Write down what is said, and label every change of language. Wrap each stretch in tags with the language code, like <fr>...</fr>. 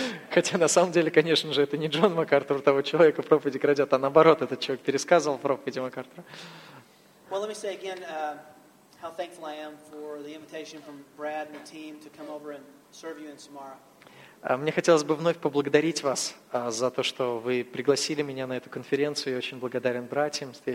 <ru>Хотя на самом деле, конечно же, это не Джон МакАртур того человека проповеди крадет, а наоборот, этот человек пересказывал проповеди МакАртура.</ru> <en>Well, let me say again how thankful I am for the invitation from Brad and the team to come over and serve you in Samara.</en> <ru>Мне хотелось бы вновь поблагодарить вас за то, что вы пригласили меня на эту конференцию. Я очень благодарен братьям</ru>